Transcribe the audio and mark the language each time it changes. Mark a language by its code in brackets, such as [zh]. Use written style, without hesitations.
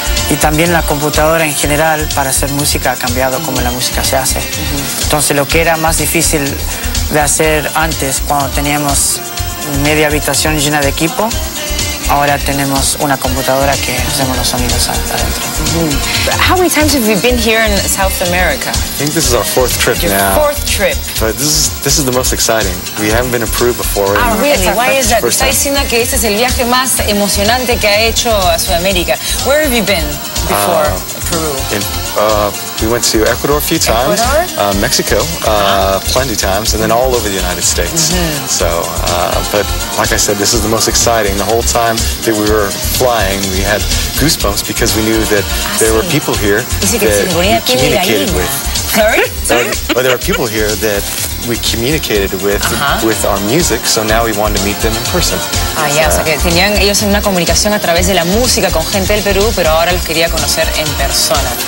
[es] Y también la computadora en general para hacer música ha cambiado como la música se hace. Entonces lo que era más difícil de hacer antes cuando teníamos media habitación llena de equipo, ahora tenemos una computadora que hacemos los sonidos adentro. [en] How many times have you been here in South America? I think this is our fourth trip now. Fourth trip. But this is the most exciting. We haven't been approved before. Ah, really? Why is that? [es] Está diciendo que este es el viaje más emocionante que ha hecho a Sudamérica. [en] Where have you been before Peru? We went to Ecuador a few times, Mexico, plenty of times, and then all over the United States. But like I said, this is the most exciting. The whole time that we were flying, we had goosebumps because we knew that there were people here that we communicated with. Sorry? There are people here that we communicated with with our music, so now we wanted to meet them in person. [es] O sea que tenían ellos en una comunicación a través de la música con gente del Perú, pero ahora los quería conocer en persona.